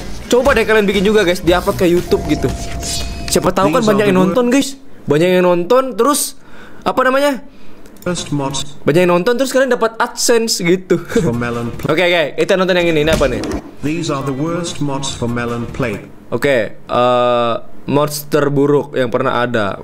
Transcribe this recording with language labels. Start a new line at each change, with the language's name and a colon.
Indonesian: Coba deh kalian bikin juga guys, diupload ke YouTube gitu. Siapa tahu kan banyak yang nonton guys. Banyak yang nonton terus apa namanya?
English: Best mods.
Indonesian: Banyak yang nonton terus kalian dapat AdSense gitu. Oke, oke. Kita nonton yang ini. Ini apa nih?
English: These are the worst mods for Melon Play.
Indonesian: Oke, mods terburuk yang pernah ada.